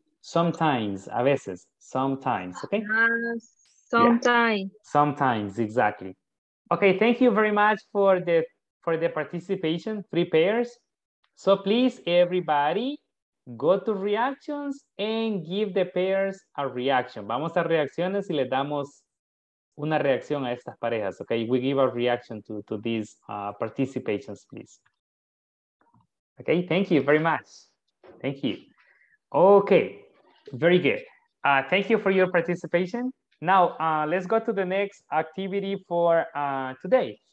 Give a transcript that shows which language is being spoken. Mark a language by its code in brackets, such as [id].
[en] Sometimes, [es] a veces, [en] sometimes, okay? Sometimes. Yeah. Sometimes, exactly. Okay, thank you very much for the participation, three pairs. So please, everybody, go to reactions and give the pairs a reaction. [es] Vamos a reacciones y le damos una reacción a estas parejas, okay? [en] We give a reaction to these participations, please. Okay, thank you very much. Thank you. Okay, very good. Thank you for your participation. Now, let's go to the next activity for today.